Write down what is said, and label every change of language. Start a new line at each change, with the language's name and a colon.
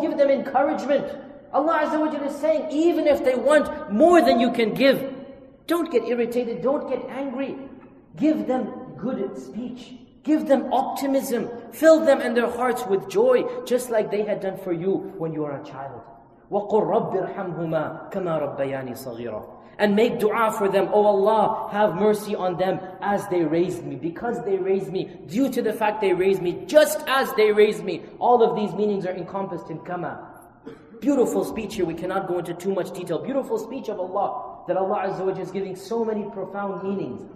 English: Give them encouragement. Allah Azza wa Jalla is saying, even if they want more than you can give, don't get irritated. Don't get angry. Give them good speech. Give them optimism. Fill them and their hearts with joy, just like they had done for you when you were a child.
Arabic: وَقُلْ رَبِّ ارْحَمْهُمَا كَمَا رَبَّيَانِي صَغِيرًا
English: And make dua for them. Oh Allah, have mercy on them as they raised me. Because they raised me, due to the fact they raised me, just as they raised me. All of these meanings are encompassed in kama. Beautiful speech here. We cannot go into too much detail. Beautiful speech of Allah. That Allah Azza wa Jalla is giving so many profound meanings.